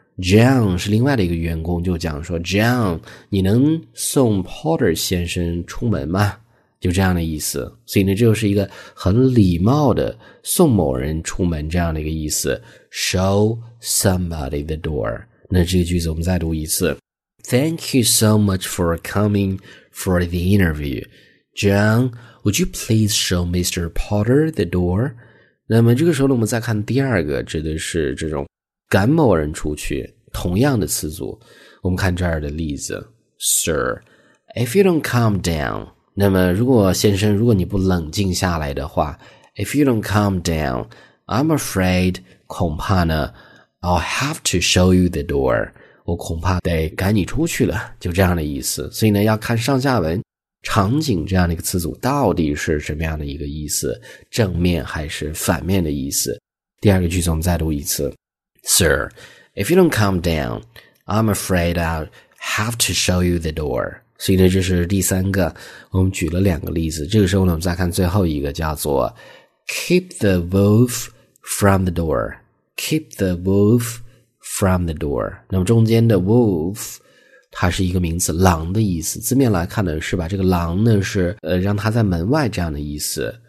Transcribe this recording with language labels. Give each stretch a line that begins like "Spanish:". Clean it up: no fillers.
Chinese: John 是另外的一个员工，就讲说 John 你能送 Porter 先生出门吗，就这样的意思。所以呢这就是一个很礼貌的送某人出门这样的一个意思，
English: show somebody the door。
Chinese: 那这个句子我们再读一次。
English: Thank you so much for coming for the interview. John, would you please show Mr. Porter the door?
Chinese: 那么这个时候呢我们再看第二个，指的是这种赶某人出去，同样的词组，我们看这儿的例子。
English: Sir, if you don't calm down,
Chinese: 那么如果先生如果你不冷静下来的话，
English: if you don't calm down, I'm afraid,
Chinese: 恐怕呢
English: I'll have to show you the door,
Chinese: 我恐怕得赶你出去了，就这样的意思。所以呢要看上下文场景这样的一个词组到底是什么样的一个意思，正面还是反面的意思。第二个句子我们再读一次。
English: Sir, if you don't calm down, I'm afraid I'll have to show you the door.
Chinese: 所以呢这是第三个，我们举了两个例子。这个时候呢我们再看最后一个，叫做
English: Keep the wolf from the door. Keep the wolf from the door.
Chinese: 那么中间的 wolf 它是一个名词，狼的意思，字面来看呢是把这个狼呢是让它在门外这样的意思。